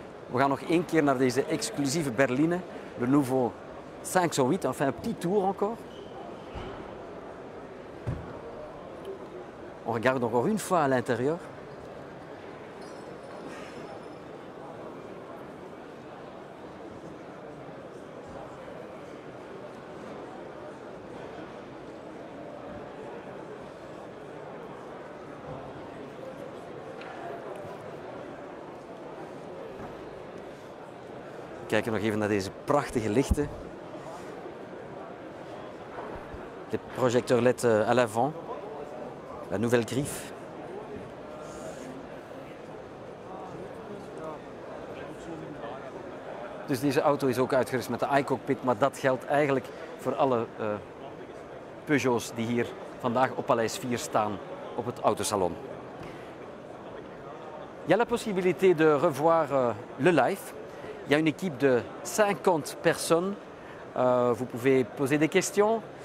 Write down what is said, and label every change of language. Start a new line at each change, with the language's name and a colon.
Dutch: We gaan nog één keer naar deze exclusieve berline, de Nouveau 508, enfin, een
French: petit tour encore. On regarde encore une fois à l'intérieur.
Dutch: We kijken nog even naar deze prachtige lichten.
French: De projecteur LED à l'avant. La nouvelle griffe.
Dutch: Dus deze auto is ook uitgerust met de iCockpit, maar dat geldt eigenlijk voor alle Peugeots die hier vandaag op Paleis 4 staan op het autosalon.
French: Il y a la possibilité de revoir le live. Il y a une équipe de 50 personnes. Vous pouvez poser des questions.